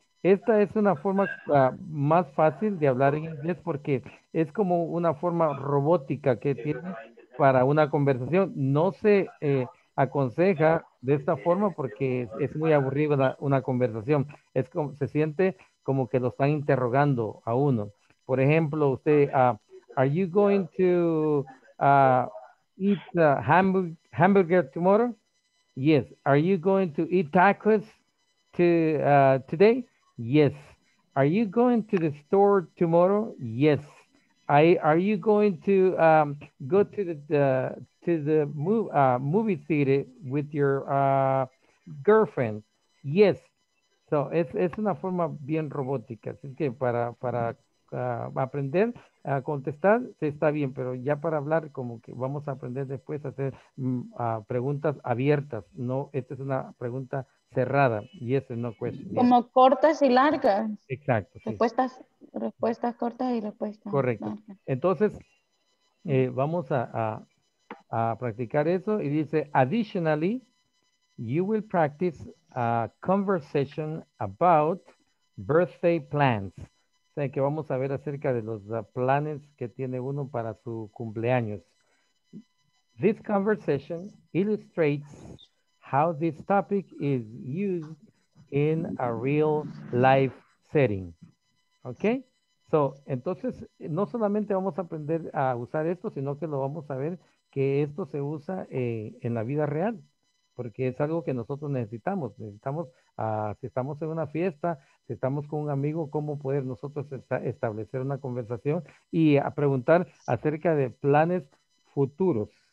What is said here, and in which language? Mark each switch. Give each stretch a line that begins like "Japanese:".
Spanish: Esta es una forma más fácil de hablar en inglés porque es como una forma robótica que tiene para una conversación. No se aconseja de esta forma porque es muy aburrida una conversación. Es como se siente como que lo están interrogando a uno. Por ejemplo, usted,
English: are you going to eat hamburger tomorrow? Yes. Are you going to eat tacos today? Yes. Are you going to the store tomorrow? Yes. Are you going to go to the movie theater with your girlfriend? Yes.
Spanish: No, es una forma bien robótica, así que para aprender a contestar sí está bien, pero ya para hablar como que vamos a aprender después a hacer preguntas abiertas, no, esta es una pregunta cerrada y eso no cuesta. Como cortas y largas. Exacto. Sí. Respuestas cortas y respuestas. Correcto. Largas. Entonces, vamos a practicar eso y dice,
English: additionally, you will practice a conversation about birthday plans.
Spanish: O sea, que vamos a ver acerca de los planes que tiene uno para su cumpleaños.
English: This conversation illustrates how this topic is used in a real life setting. Okay?
Spanish: So, entonces, no solamente vamos a aprender a usar esto, sino que lo vamos a ver que esto se usa en la vida real, porque es algo que nosotros necesitamos. Necesitamos, si estamos en una fiesta, si estamos con un amigo, cómo poder nosotros establecer una conversación y a preguntar acerca de planes futuros.